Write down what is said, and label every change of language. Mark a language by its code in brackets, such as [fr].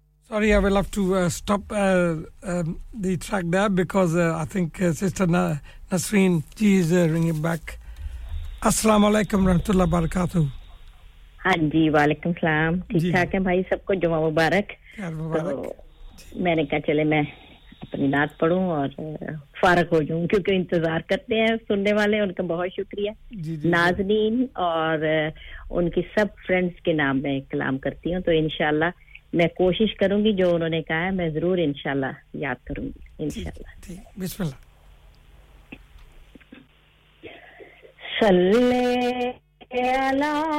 [en] Sorry, I will have to stop the track there because I think Sister Nasreen G is ringing back. [ar] Assalamu alaikum, rahmatullah barakatuh. [hi] हाँ जी वालेकुम सलाम ठीक ठाक हैं भाई सबको जुमा मुबारक मैंने कहा चले मैं अपनी नात पढूं और फारग हो जाऊं क्योंकि इंतजार करते हैं सुनने वाले उनका बहुत शुक्रिया नाज़नीन और उनकी सब फ्रेंड्स के नाम मैं कलाम करती हूं तो इंशाल्लाह मैं कोशिश करूंगी जो उन्होंने कहा है मैं जरूर इंशाल्लाह याद करूंगी इंशाल्लाह [ar] बिस्मिल्लाह सल्ले अला